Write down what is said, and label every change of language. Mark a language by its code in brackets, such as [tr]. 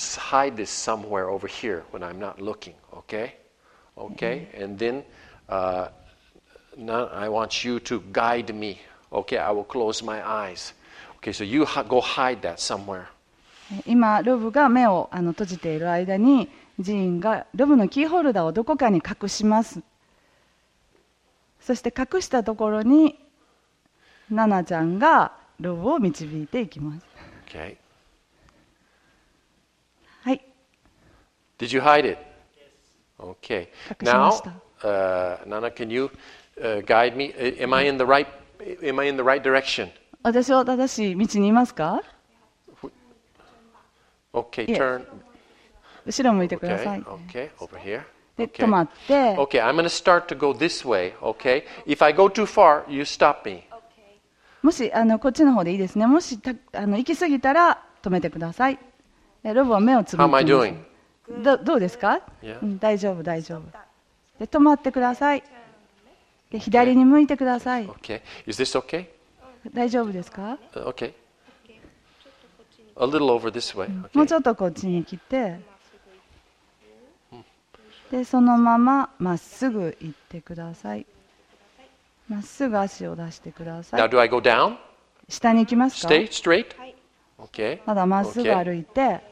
[en] Hide this somewhere over here when I'm not looking, okay? Okay, and then I want you to guide me, okay? I will close my eyes. Okay, so you go hide that somewhere. [ja] 今、ロブが目を閉じている間に、ジーンがロブのキーホルダーをどこかに隠します。そして隠したところに、ナナちゃんがロブを導いていきます。 [en] Okay. Did you hide it? Okay. Now, Nana, can you guide me? Am I in the right direction? [ja] 私は正しい道にいますか? [en] Okay, turn. [ja] 後ろ向いてください。 [en] Okay, okay, over here. [ja] で、止まって。 [en] Okay, I'm going to start to go this way, okay? If I go too far, you stop me. [ja] もし、こっちの方でいいですね。もし、行き過ぎたら止めてください。ロボは目をつぶって [en] ます。How am I doing? [ja] どうですか、 [en] yeah. [ja] うん、大丈夫、大丈夫。で、止まってください。で、左に向いてください。 [en] Okay. Is this okay? [ja] 大丈夫ですか、 [en] okay. A little over this way. Okay. [ja] もうちょっとこっちに来て、で、そのまままっすぐ行ってください。まっすぐ足を出してください。 [en] Now, do I go down? [ja] 下に行きますか [en] Stay straight. Okay. [ja] まだまっすぐ歩いて。